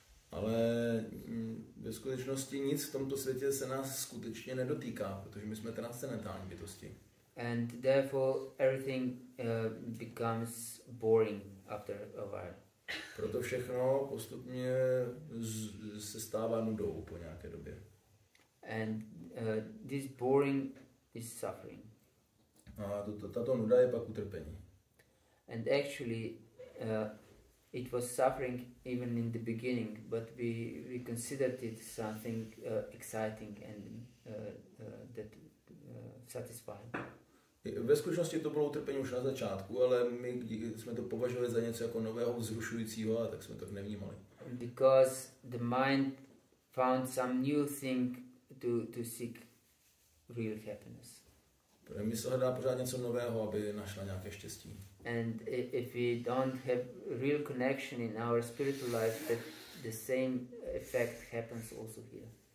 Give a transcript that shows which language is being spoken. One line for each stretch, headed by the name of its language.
Czech: Ale ve skutečnosti nic v tomto světě se nás skutečně nedotýká, protože my jsme transcendentální bytosti.
English: And therefore everything becomes boring after a while.
Czech: Proto všechno postupně se stává nudou po nějaké době.
English: And this boring is suffering.
Czech: A tato nuda je pak utrpení.
English: And actually it was suffering even in the beginning, but we considered it something exciting and that satisfying.
Czech: Ve skutečnosti to bylo utrpení už na začátku, ale my jsme to považovali za něco jako nového, vzrušujícího, a tak jsme to nevnímali.
English: Because the mind found some new thing to seek real happiness.
Czech: Protože mysl hledá pořád něco nového, aby našla nějaké štěstí.
English: And if we don't have real connection in our spiritual life, that the same effect happens also here.